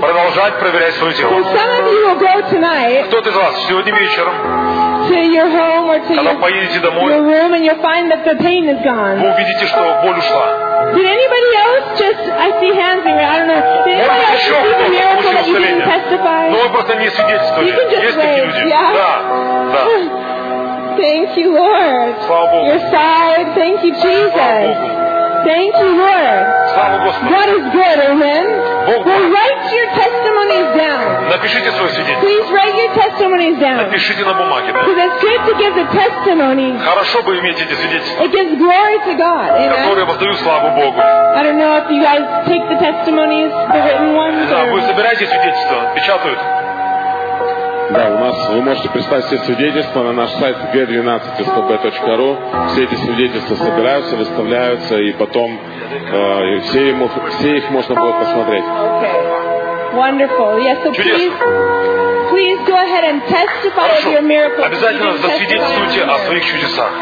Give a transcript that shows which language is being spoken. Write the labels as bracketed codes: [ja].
[ru] Продолжать проверять свое тело. [en] So some of you will go tonight. [ru] Кто-то из вас сегодня вечером. [en] To your home or to your room, and you'll find that the pain is gone. [ru] Вы увидите, что боль ушла. [en] Did anybody else just? I see hands in here. I don't know. Did anybody else see the miracle that you didn't testify? [ru] Но вы просто не свидетельствовали. [en] You can just wait. [ru] Есть такие люди. [en] Yeah. [ru] Да. [en] Thank you, Lord. [ru] Слава Богу. [en] Your side. Thank you, Jesus. Thank you, Lord. [ru] Слава Господу. [en] God is good, amen. [ru] Бог. [en] Well, write your testimonies down. [ru] Напишите свое свидетельство. [en] Please write your testimonies down. [ru] Напишите на бумаге. [en] Because it's good to give the testimony. [ru] Хорошо бы иметь эти свидетельства. [en] It gives glory to God, amen. [ru] Которые воздают славу Богу. [en] I don't know if you guys take the testimonies, the written ones. [ru] Да, вы собираете свидетельства, печатают. Да, у нас, вы можете представить все свидетельства на наш сайт g12stb.ru. Все эти свидетельства собираются, выставляются, и потом все их можно было посмотреть. [en] Okay. Wonderful. Yes, so please go ahead and testify of your miracle. [ru] Обязательно засвидетельствуйте о своих чудесах.